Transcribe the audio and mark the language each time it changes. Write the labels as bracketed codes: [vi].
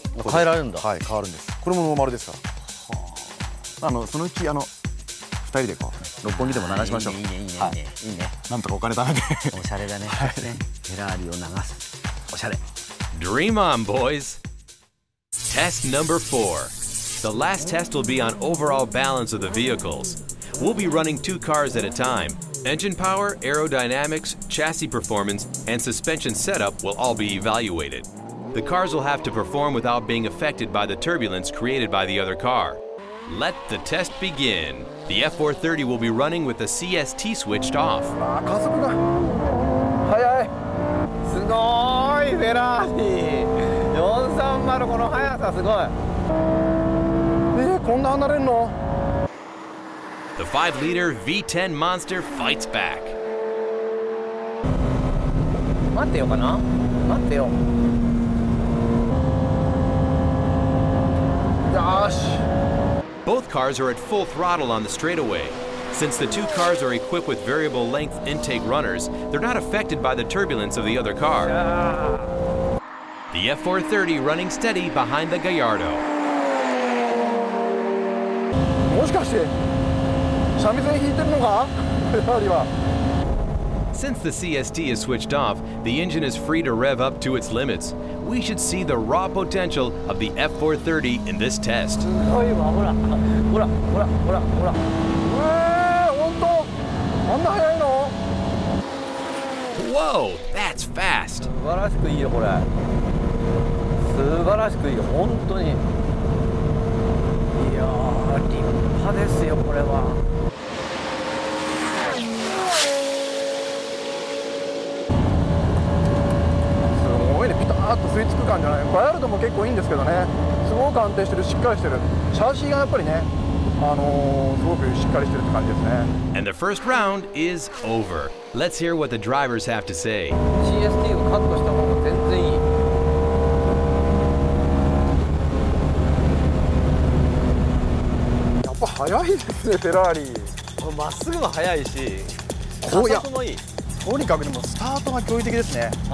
[ja] 変えられるんだ。はい、変わるんです。これもノーマルですから。はあ、そのうち2人でこう六本木でも流しましょう。いいね、いいね、いいね、はい、いいね。なんとかお金貯めて。おしゃれだね、はい、ね、フェラーリを流す、おしゃれ。 [en] Dream on, boys. Test number 4. The last test will be on overall balance of the vehicles. We'll be running two cars at a time. Engine power, aerodynamics, chassis performance, and suspension setup will all be evaluated. The cars will have to perform without being affected by the turbulence created by the other car. Let the test begin. The F430 will be running with the CST switched off. [ja] Ah, 加速だ。早い。すごい、フェラーリ。430この速さすごい。こんな離れんの。 [en] The 5-liter V10 Monster fights back. [ja] 待ってよかな、待ってよ。よし。 [en] Both cars are at full throttle on the straightaway. Since the two cars are equipped with variable length intake runners, they're not affected by the turbulence of the other car. The F430 running steady behind the Gallardo. [ja] もしかして三味線引いてるのか、フェラーリは。 [en] Since the CST is switched off, the engine is free to rev up to its limits. We should see the raw potential of the F430 in this test. [ja] すごいわ、ほら、ほら、ほら、ほら、ほら。ほんと、んな速いの？ [en] Whoa, that's fast. [ja] 素晴らしくいいよこれ。素晴らしくいいよ本当に。いやー立派ですよこれは。すごいね、ピターッと吸い付く感じじゃない。バヤルドも結構いいんですけどね。すごく安定してる、しっかりしてる。シャーシーがやっぱりね、すごくしっかりしてるって感じですね。 [en] And the first round is over. Let's hear what the drivers have to say. [ja] CST をカットした方が全然いい。やっぱ速いですね、フェラーリ。まっすぐも速いし、加速もいい。とにかくでもスタートが驚異的ですね。